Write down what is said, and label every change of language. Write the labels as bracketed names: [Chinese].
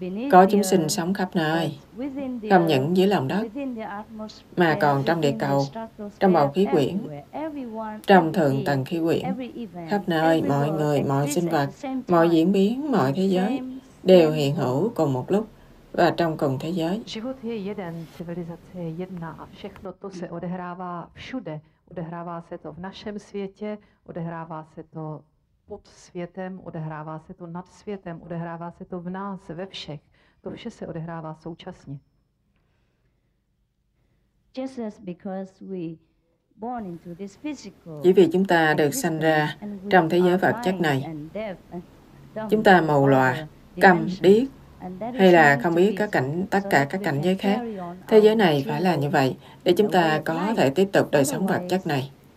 [Vietnamese] Có chúng sinh sống khắp nơi, không những dưới lòng đất, mà còn trong địa cầu, trong bầu khí quyển, trong thượng tầng khí quyển, khắp nơi, mọi người, mọi sinh vật, mọi diễn biến, mọi thế giới đều hiện hữu cùng một lúc và trong cùng thế giới. [Czech] Život je jeden, civilizace je jedna a všechno to se odehrává všude. Odehrává se to v našem světě, odehrává se to pod světem, odehrává se to nad světem, odehrává se to v nás, ve všech. To vše se odehrává současně. [English] Just as because we born into this physical. [Vietnamese] Chỉ vì chúng ta được sanh ra trong thế giới vật chất này. Chúng ta mù lòa, câm điếc hay là không biết các cảnh, tất cả các cảnh giới khác. Thế giới này phải là như vậy để chúng ta có thể tiếp tục đời sống vật chất này.